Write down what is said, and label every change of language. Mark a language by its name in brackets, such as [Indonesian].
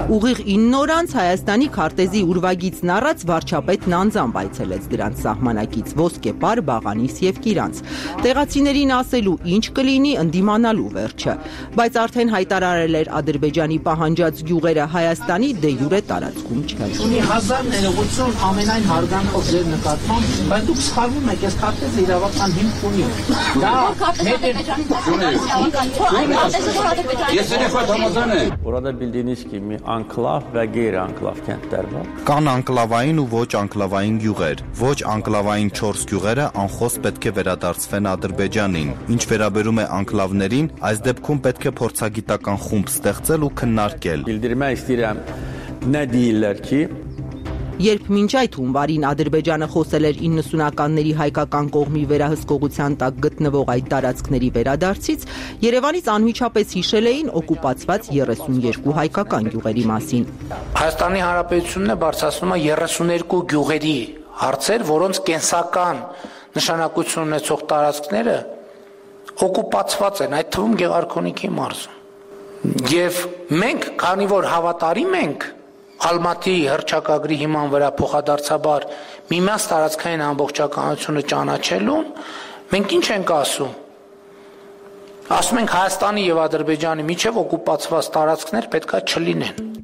[Armenian] Ուղիղ 9 օր անց Հայաստանի քարտեզի ուրվագիծն առած վարչապետ Նանձան բայցելեց դրանց սահմանակից Ոսկեպար, Բաղանիս եւ Կիրանց։ Տեղացիներին ասելու ինչ կլինի, ընդդիմանալու վերջը, բայց արդեն հայտարարել էր Ադրբեջանի պահանջած գյուղերը Հայաստանի դեյուրե տարածքում չկան։ Ունի հազար ներողություն ամենայն հարգանքով ձեր նկատմամբ, բայց դուք սխալվում եք, այս քարտեզը իրավական հիմք ունի։ Դա [Turkish] Orada bildiğiniz gibi anklav ve gayri anklav kentler var. [Armenian] Կան անկլավային ու ոչ անկլավային գյուղեր։ Ոչ անկլավային 4 գյուղերը անխոս պետք է վերադարձվեն Ադրբեջանին։ Ինչ վերաբերում է անկլավներին, այս դեպքում պետք է փորձագիտական խումբ ստեղծել ու քննարկել։ [Turkish] Bildirmek istiyorum ne diyorlar ki [Armenian] Երբ մինչ այդ հունվարին Ադրբեջանը խոսել էր 90-ականների հայկական կողմի վերահսկողության տակ գտնվող այդ տարածքների վերադարձից, Երևանից անմիջապես հիշել էին օկուպացված 32 հայկական գյուղերի մասին։ Հայաստանի Հանրապետությունն է բարձրացնում 32 գյուղերի հարցեր, որոնց կենսական նշանակություն ունեցող տարածքները օկուպացված են, այդ թվում Գեղարքունիքի մարզում։ Եվ մենք, քանի որ հավատարիմ ենք Ալմատի հռչակագրի հիման վրա փոխադարձաբար միմյանց տարածքային ամբողջականությունը ճանաչելուն, մենք ինչ ենք ասում։ Ասում ենք Հայաստանի և Ադրբեջանի միջև օկուպացված տարածքներ պետքա չլինեն։